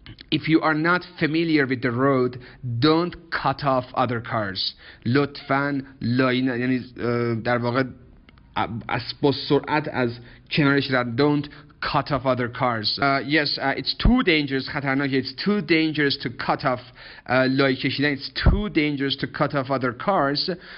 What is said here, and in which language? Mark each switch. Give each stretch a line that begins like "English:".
English: If you are not familiar with the road, don't cut off other cars.
Persian: لطفاً لاین, یعنی در واقع از با سرعت از کنارش رد,
English: don't cut off other cars. It's too dangerous,
Persian: خطرناکه.
English: It's too dangerous to cut off
Persian: لای کشیدن.
English: It's too dangerous to cut off other cars.